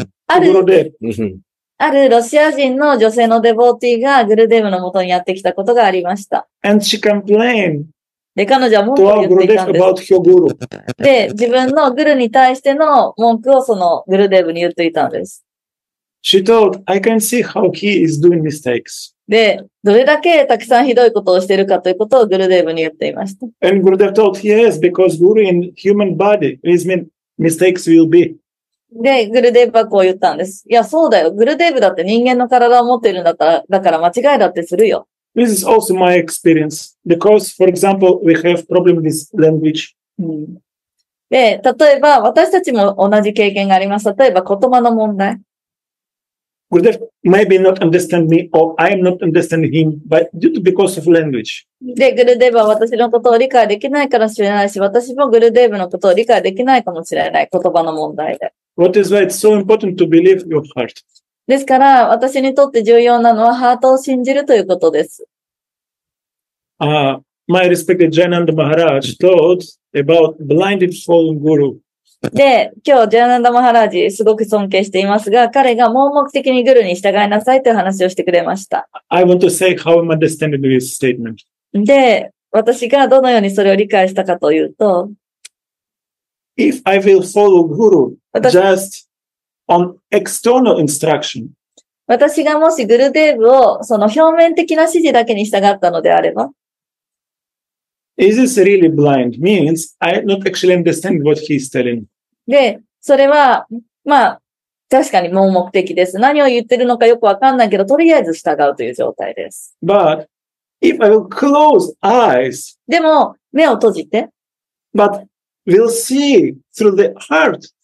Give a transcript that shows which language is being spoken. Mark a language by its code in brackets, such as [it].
[en] Gurudev. [ja] あるロシア人の女性のデボーティーがグルデブの元にやってきたことがありました。 [en] And she complained. [ja] で、彼女は文句を言っていたんです。 [en] About her guru. [ja] で、自分のグルに対しての文句をそのグルデブに言っていたんです。 [en] She told, I can see how he is doing mistakes. [ja] で、どれだけたくさんひどいことをしているかということをグルデブに言っていました。 [en] And Gurudev told, yes, because guru in human body, this means mistakes will be. [ja] で、グルデブはこう言ったんです。いや、そうだよ。グルデブだって人間の体を持っているんだったら、だから間違いだってするよ。 [en] This is also my experience. Because, for example, we have problem with language. [ja] で、例えば、私たちも同じ経験があります。例えば、言葉の問題。 [en] Gurudev maybe not understand me or I am not understanding him, but due to because of language. [ja] で、グルデブは私のことを理解できないかもしれないし、私もグルデブのことを理解できないかもしれない。言葉の問題で。 [en] What is why it's so important to believe your heart. [ja] ですから、私にとって重要なのはハートを信じるということです。 [en] My respected Jayananda Maharaj told about blinded fallen guru. [ja] で、今日、Jayananda Maharaj すごく尊敬していますが、彼が盲目的にグルに従いなさいという話をしてくれました。 [en] I want to say how I'm understanding this statement. [ja] で、私がどのようにそれを理解したかというと、 [en] If I will follow guru, just on external instruction. [ja] 私がもしグルデーブをその表面的な指示だけに従ったのであれば。 [en] Is this really blind? Means I not actually understand what he's telling. [ja] で、それは、まあ、確かに盲目的です。何を言ってるのかよくわかんないけど、とりあえず従うという状態です。 [en] But if I will close eyes. [ja] でも、目を閉じて。 [en] But we'll see through the heart.